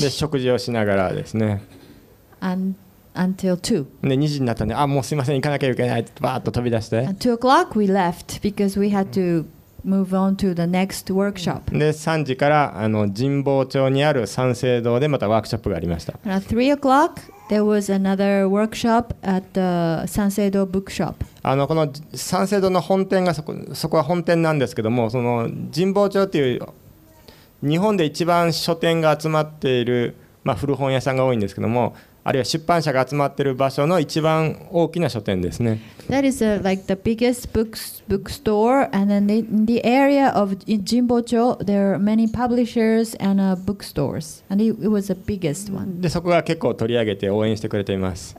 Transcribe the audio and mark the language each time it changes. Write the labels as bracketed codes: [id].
[ja] で食事をしながらですね。 [en] Until two. [ja] で2時になったんで、あ、もうすいません、行かなきゃいけないってバーッと飛び出して。 [en] At 2 o'clock we left because we had to move on to the next workshop. [ja] で3時から神保町にある三省堂でまたワークショップがありました。 [en] At 3 o'clock there was another workshop at the 三省堂 bookshop. [ja] この三省堂の本店がそこは本店なんですけども、その神保町っていう日本で一番書店が集まっている、まあ、古本屋さんが多いんですけども。あるいは出版社が集まっている場所の一番大きな書店ですね。 [en] That is like the biggest bookstore, and then in the area of Jinbocho, there are many publishers and bookstores, and it was the biggest one. [ja] で、そこが結構取り上げて応援してくれています。